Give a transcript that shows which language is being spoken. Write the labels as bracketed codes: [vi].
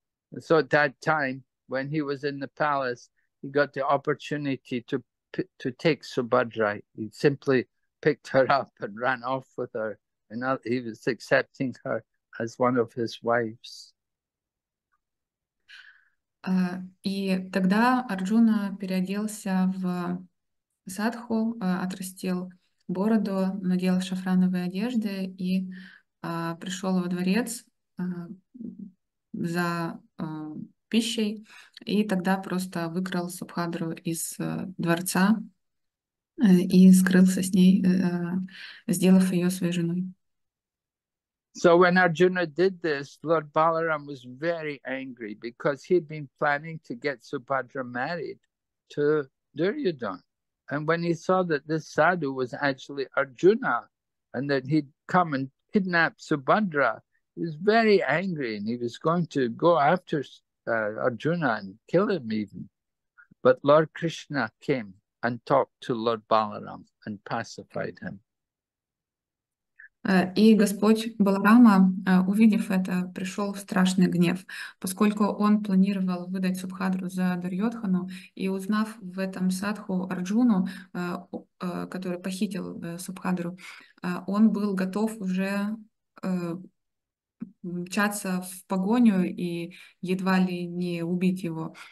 [en] And so at that time, when he was in the palace, he got the opportunity to take Subhadra. He simply picked her up and ran off with her, and now he was accepting her as one of his wives. [ru] И тогда Арджуна переоделся в садху, отрастил бороду, надел шафрановые одежды и пришел во дворец за пищей, и тогда просто выкрал Субхадру из дворца и скрылся с ней, сделав ее своей женой. [en] So when Arjuna did this, Lord Balaram was very angry because he'd been planning to get Subhadra married to Duryodhan. And when he saw that this sadhu was actually Arjuna and that he'd come and kidnap Subhadra, he was very angry and he was going to go after Arjuna and kill him even. But Lord Krishna came and talked to Lord Balaram and pacified him. [ru] И Господь Баларама, увидев это, пришел в страшный гнев, поскольку он планировал выдать Субхадру за Дурьотхану, и узнав в этом садху Арджуну, который похитил Субхадру, он был готов уже мчаться в погоню и едва ли не убить его.